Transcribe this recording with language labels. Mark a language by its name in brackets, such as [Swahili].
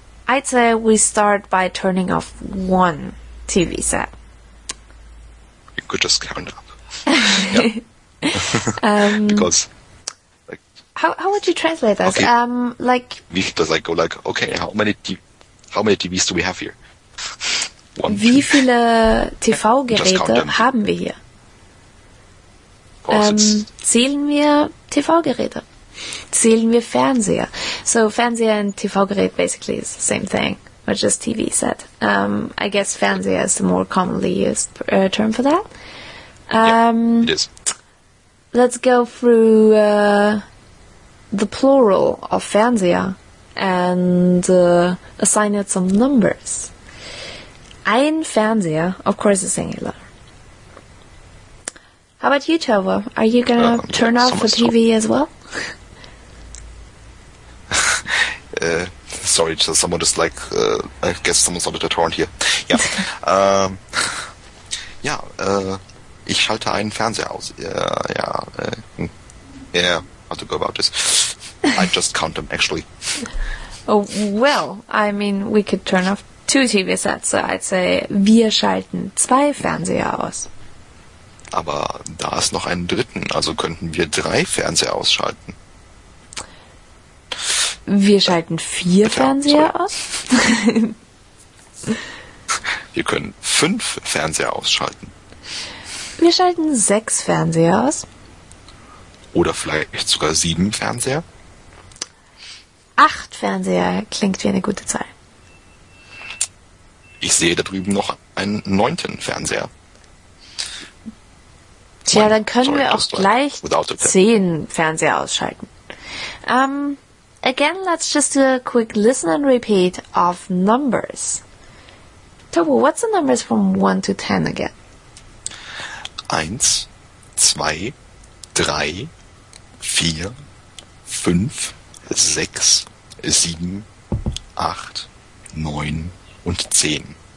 [English] I'd say we start by turning off one TV set. You could just count up. because... Like, how would you translate this? Okay. Like... [German] Wie viel, [English] does I go like, okay, how many TVs do we have here? [German] One, wie viele TV-Geräte haben wir hier? Zählen wir TV-Geräte? Zählen wir Fernseher? [English] So, Fernseher and TV-Gerät basically is the same thing, which is TV set. I guess Fernseher is the more commonly used term for that. Yeah, it is. Let's go through the plural of Fernseher and assign it some numbers. Ein Fernseher, of course, is singular. How about you, Tova? Are you going to turn off the TV as well? Sorry, so someone just like, I guess someone started a torrent here. [German] Yeah, ich schalte einen Fernseher aus. [English] Yeah, how to go about this? I just count them, actually. Oh, well, I mean, we could turn off two TV sets, so I'd say, [German] wir schalten zwei Fernseher aus. Aber da ist noch einen dritten, also könnten wir drei Fernseher ausschalten. Wir schalten vier Fernseher aus? Wir können fünf Fernseher ausschalten. Wir schalten sechs Fernseher aus. Oder vielleicht sogar sieben Fernseher? Acht Fernseher klingt wie eine gute Zahl. Ich sehe da drüben noch einen neunten Fernseher. Tja, dann können wir auch gleich zehn Fernseher ausschalten. [English] Again, let's just do a quick listen and repeat of numbers. Tobu, what's the numbers from 1 to 10 again? [German] 1, 2, 3, 4, 5, 6, 7, 8, 9 und 10.